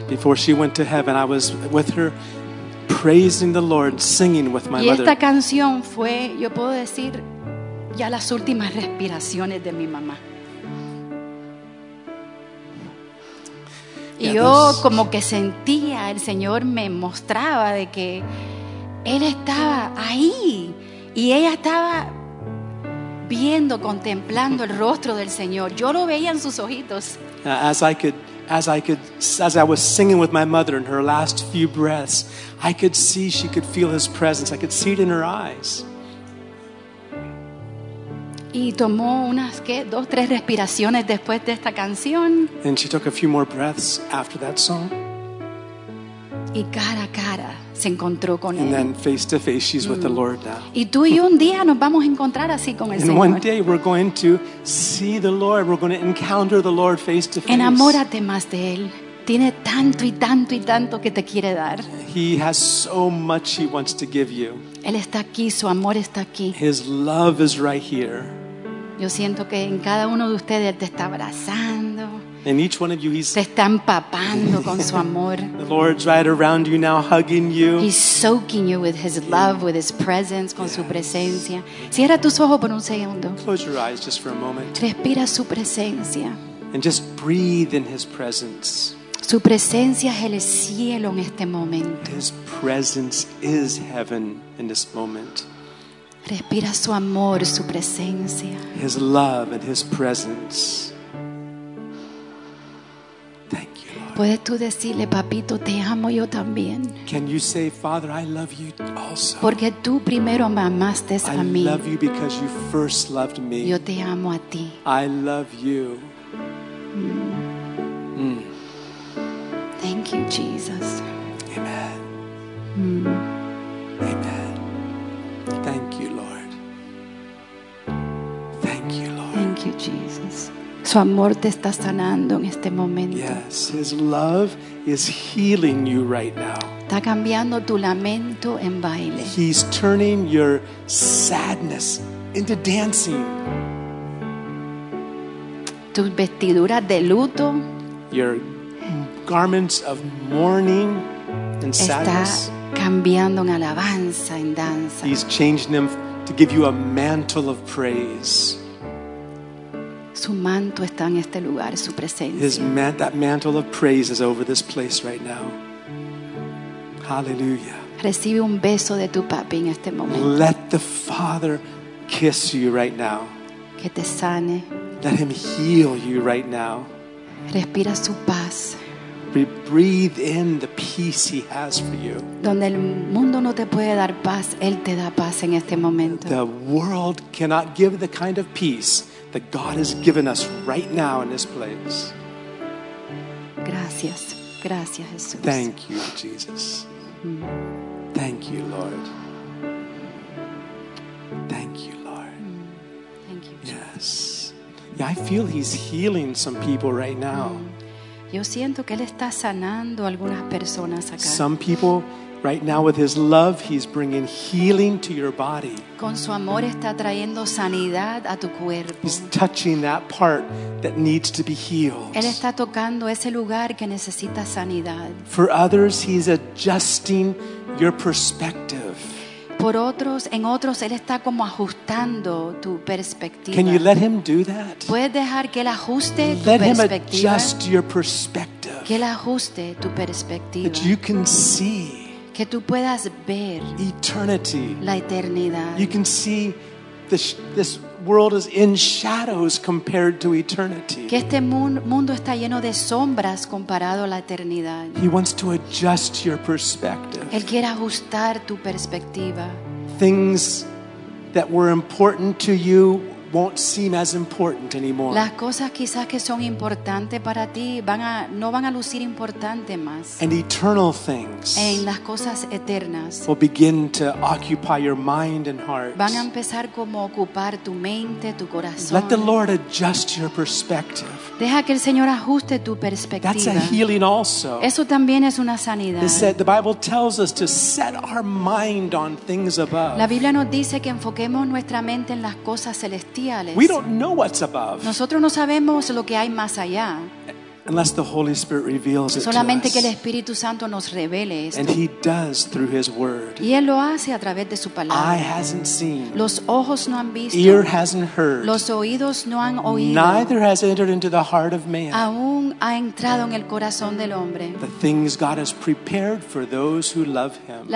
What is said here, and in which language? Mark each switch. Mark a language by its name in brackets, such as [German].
[English] Before she went to heaven, I was with her. Praising the Lord, singing with my mother. [Spanish] Y esta [English] mother. [Spanish] Canción fue, yo puedo decir, ya las últimas respiraciones de mi mamá. Y [English] yeah, [Spanish] yo como que sentía, el Señor me mostraba de que Él estaba ahí y ella estaba viendo, contemplando el rostro del Señor. Yo lo veía en sus ojitos. [English] As I was singing with my mother in her last few breaths, I could see she could feel his presence. I could see it in her eyes. [Spanish] Y tomó unas qué, dos, tres respiraciones después de esta canción. [English] And she took a few more breaths after that song. [Spanish] Y cara a cara se encontró con [English] and And then face to face, she's with the Lord now. [Spanish] Y tú y yo un día nos vamos a encontrar así con el [English] and [Spanish] Señor. [English] And one day we're going to see the Lord. We're going to encounter the Lord face to face. [Spanish] Enamórate más de él. Tiene tanto y tanto y tanto que te quiere dar. [English] He has so much he wants to give you. [Spanish] Él está aquí, su amor está aquí. [English] His love is right here. [Spanish] Yo siento que en cada uno de ustedes te está abrazando. [English] In each one of you, he's [Spanish] te está empapando con su amor. [English] The Lord's right around you now, hugging you. He's soaking you with his love, with his presence, con yes. [Spanish] su presencia. Cierra tus ojos por un segundo. [English] Close your eyes just for a moment. [Spanish] Respira su presencia. [English] And just breathe in his presence. [Spanish] Su presencia es el cielo en este momento. [English] His presence is heaven in this moment. [Spanish] Respira su amor, su presencia. [English] His love and his presence. Thank you, Lord. [Spanish] ¿Puedes tú decirle, papito, te amo yo también? [English] Can you say, Father, I love you also. [Spanish] Porque tú primero me amaste a mí. [English] I love you because you first loved me. [Spanish] Yo te amo a ti. [English] I love you. Thank you, Jesus. Amen. Amen. Thank you, Lord. Thank you, Lord. Thank you, Jesus. [Spanish] Su amor te está sanando en este momento. [English] Yes, his love is healing you right now. [Spanish] Está cambiando tu lamento en baile. [English] He's turning your sadness into dancing. [Spanish] Tus vestiduras de luto. [English] Your garments of mourning and [Spanish] está [English] sadness. [Spanish] Está cambiando en alabanza, en danza. [English] He's changing them to give you a mantle of praise. [Spanish] Su manto está en este lugar, su presencia. [English] That mantle of praise is over this place right now. Hallelujah. [Spanish] Recibe un beso de tu papi en este momento. [English] Let the Father kiss you right now. [Spanish] Que te sane. [English] Let him heal you right now. [Spanish] Respira su paz. [English] Breathe in the peace he has for you. [Spanish] Donde el mundo no te puede dar paz, él te da paz en este momento. [English] The world cannot give the kind of peace that God has given us right now in this place. [Spanish] Gracias, gracias, Jesús. [English] Thank you, Jesus. Thank you, Lord. Thank you, Lord. Thank you. Jesus. Yes. Yeah, I feel he's healing some people right now. [Spanish] Yo siento que él está sanando algunas personas acá. [English] Some people Right now with his love, he's bringing healing to your body. [Spanish] Con su amor está trayendo sanidad a tu cuerpo. [English] He's touching that part that needs to be healed. [Spanish] Él está tocando ese lugar que necesita sanidad. [English] For others, he's adjusting your perspective. [Spanish] Por otros, en otros, él está como ajustando tu perspectiva. [English] Can you let him do that? [Spanish] ¿Puedes dejar que él ajuste tu [English] let [Spanish] perspectiva? [English] Him adjust your perspective. [Spanish] Que él ajuste tu perspectiva. [English] That you can see. [Spanish] Que tú puedas ver [English] eternity. [Spanish] La eternidad. [English] You can see this world is in shadows compared to eternity. [Spanish] Que este mundo está lleno de sombras comparado a la eternidad. [English] He wants to adjust your perspective. [Spanish] Él quiere ajustar tu perspectiva. [English] Things that were important to you won't seem as important anymore. [Spanish] Las cosas quizás que son importantes para ti no van a lucir importante más. [English] And eternal things. [Spanish] En las cosas eternas. [English] Will begin to occupy your mind and heart. [Spanish] Van a empezar como ocupar tu mente, tu corazón. [English] Let the Lord adjust your perspective. [Spanish] Deja que el Señor ajuste tu perspectiva. [English] That's a healing also. [Spanish] Eso también es una sanidad. [English] The Bible tells us to set our mind on things above. [Spanish] La Biblia nos dice que enfoquemos nuestra mente en las cosas celestiales. [English] We don't know what's above. [Spanish] Nosotros no sabemos lo que hay más allá. [English] Unless the Holy Spirit reveals it. [Spanish] Solamente [English] to [Spanish] que [English] us. [Spanish] El Espíritu Santo nos revele esto. [English] And he does through his word. [Spanish] Y él lo hace a través de su palabra. [English] Eye hasn't seen. [Spanish] Los ojos no han visto. [English] Ear hasn't heard. [Spanish] Los oídos no han oído. [English] Neither has entered into the heart of man. [Spanish] Aún ha entrado en el corazón del hombre. [English] The things God has prepared for those who love him.